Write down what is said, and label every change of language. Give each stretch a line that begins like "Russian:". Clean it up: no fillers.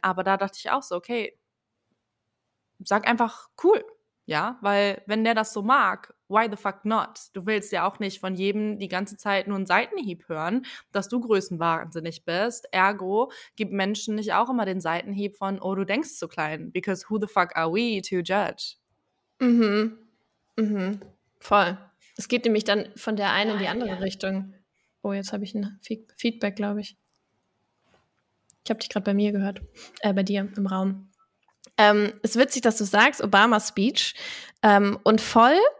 German: Aber da dachte ich auch so, okay, sag einfach cool, ja? Weil wenn der das so mag,
English: why the fuck not?
German: Du willst ja auch nicht von jedem die ganze Zeit nur einen Seitenhieb hören, dass du größenwahnsinnig bist. Ergo gibt Menschen nicht auch immer den Seitenhieb von, oh, du denkst zu klein.
English: Because who the fuck are we to judge?
German: Mhm. Mhm. Voll. Es geht nämlich dann von der einen in die andere Richtung. Oh, jetzt habe ich ein Feedback, glaube ich. Ich habe dich gerade bei mir gehört. Bei dir im Raum. Es ist witzig, dass du sagst, Obama-Speech. Und voll.